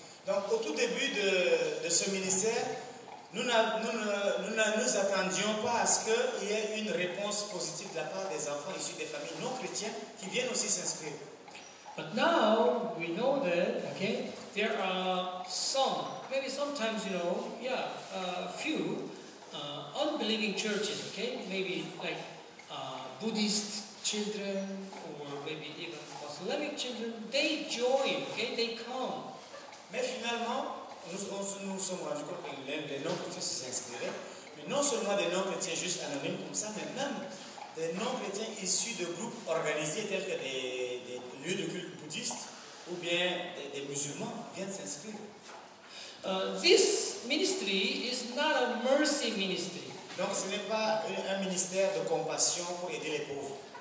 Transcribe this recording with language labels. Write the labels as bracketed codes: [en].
[fr] Donc au tout début de ce ministère, nous attendions pas à ce qu'il y ait une réponse positive de la part des enfants issus des familles non chrétiennes qui viennent aussi s'inscrire. [en] But now we know that, okay, there are some, maybe sometimes, you know, yeah, a few unbelieving churches, okay, maybe like Buddhist children or maybe even Muslim children, they join, okay, they come. [fr] Mais finalement, nous sommes rendus compte que les non-chrétiens s'inscrivaient, mais non seulement des non-chrétiens juste anonymes comme ça, mais même des non-chrétiens issus de groupes organisés tels que des lieux de culte bouddhistes ou bien des musulmans viennent s'inscrire. [en] This ministry is not a mercy ministry. [fr] Donc ce n'est pas un ministère de compassion pour aider les pauvres.